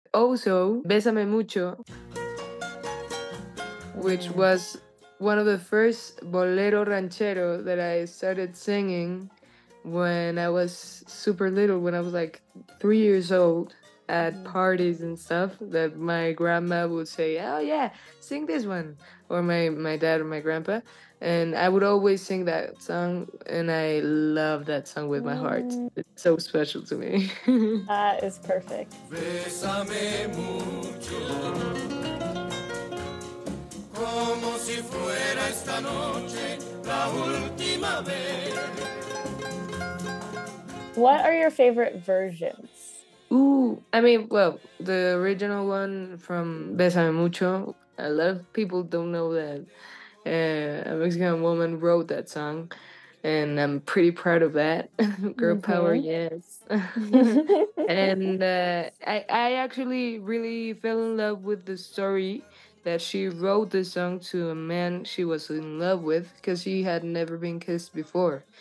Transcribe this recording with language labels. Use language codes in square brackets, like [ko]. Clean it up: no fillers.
[en] Also, Bésame Mucho, which was one of the first bolero ranchero that I started singing when I was super little, when I was like 3 years old at parties and stuff, that my grandma would say, oh yeah, sing this one, or my dad or my grandpa. And I would always sing that song, and I love that song with my heart. It's so special to me. That is perfect. [es] Bésame mucho, como si fuera esta noche la última vez. [en] What are your favorite versions? Ooh, I mean, well, the original one from Bésame Mucho, a lot of people don't know that. A Mexican woman wrote that song, and I'm pretty proud of that. Girl power, yes. And I actually really fell in love with the story that she wrote the song to a man she was in love with, because she had never been kissed before.